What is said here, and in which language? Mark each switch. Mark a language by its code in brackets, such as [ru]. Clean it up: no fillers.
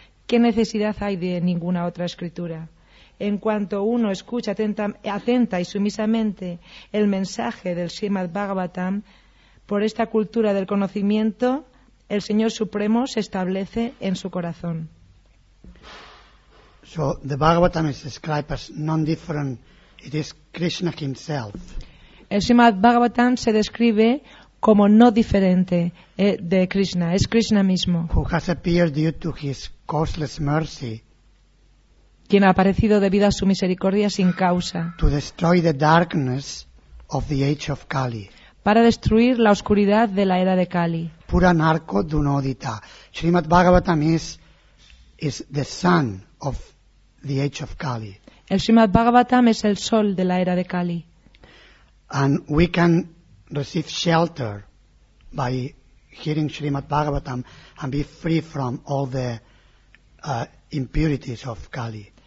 [es] ¿Qué necesidad hay de ninguna otra escritura? En cuanto uno escucha atenta y sumisamente el mensaje del Srimad Bhagavatam, por esta cultura del conocimiento, el Señor Supremo se establece en su corazón. [en] So the Bhagavatam is described as non-different. It is Krishna himself. [es] El Srimad Bhagavatam se describe como no diferente de Krishna, es Krishna mismo. [en] Who has appeared due to his causeless mercy, [es] quien ha aparecido debido a su misericordia sin causa, [en] to destroy the darkness of the age of Kali, [es] para destruir la oscuridad de la era de Kali. Pura narco dunodita. [en] Srimad Bhagavatam is the sun of the age of Kali. [es] El Srimad Bhagavatam es el sol de la era de Kali. [en] And we can receive shelter by hearing Srimad Bhagavatam and be free from all the impurities of Kali.